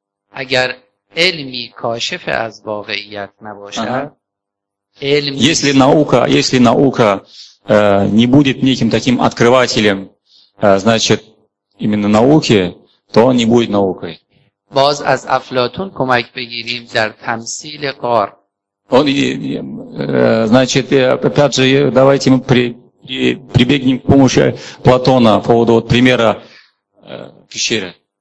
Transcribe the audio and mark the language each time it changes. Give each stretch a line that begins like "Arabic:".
Persian: اگر علمی کاشف از واقعیت نباشد علم
Russian: если наука, если наука не будет неким таким открывателем, значит, именно науки, то он не будет наукой.
Persian: باز از افلاطون کمک بگیریم در تمثیل غار.
Russian: Он значит, опять же, давайте мы прибегнем к помощи Платона по поводу вот примера пещеры.